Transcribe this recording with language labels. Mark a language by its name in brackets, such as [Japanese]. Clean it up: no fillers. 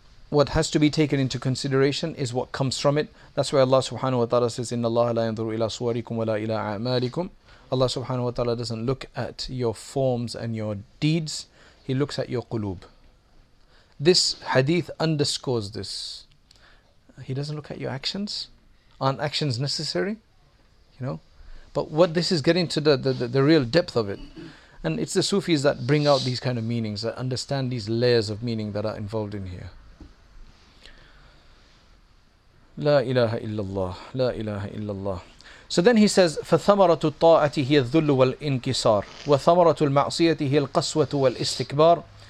[English] What has to be taken into consideration is what comes from it. That's why Allah subhanahu wa ta'ala says, [Arabic] إِنَّ اللَّهَ لَا يَنْظُرُ إِلَى صُوَرِكُمْ وَلَا إِلَى أَعْمَالِكُمْ. [English] Allah subhanahu wa ta'ala doesn't look at your forms and your deeds. He looks at your qulub. This hadith underscores this. He doesn't look at your actions. Aren't actions necessary? You know? But what this is getting to the real depth of it. And it's the Sufis that bring out these kind of meanings, that understand these layers of meaning that are involved in here. [Arabic] لا إله إلا الله لا إله إلا الله. [English] So then he says, [Arabic] فثمرة الطاعة هي الذل والانكسار وثمرة المعصية هي القسوة والاستكبار.